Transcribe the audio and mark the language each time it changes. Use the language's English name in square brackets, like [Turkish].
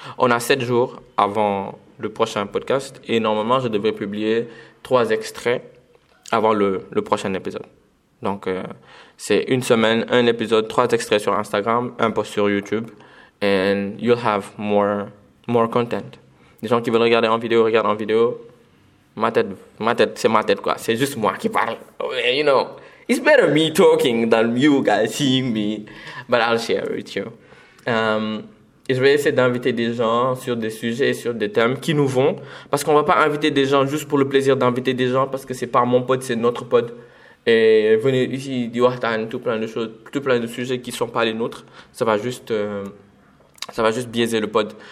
[French] On a 7 jours avant le prochain podcast. Et normalement, je devrais publier 3 extraits avant le prochain épisode. Donc, c'est une semaine, un épisode, 3 extraits sur Instagram, un post sur YouTube. [English] And you'll have more content. [French] Les gens qui veulent regarder en vidéo, regardent en vidéo. Ma tête, c'est ma tête quoi, c'est juste moi qui parle. [English] Well, you know, it's better me talking than you guys seeing me, but I'll share with you. [French] Je vais essayer d'inviter des gens sur des sujets, sur des thèmes qui nous vont, parce qu'on va pas inviter des gens juste pour le plaisir d'inviter des gens, parce que c'est pas mon pote, c'est notre pote. Et venez ici, diwahtan, tout plein de choses, tout plein de sujets qui sont pas les nôtres, ça va juste biaiser le pod.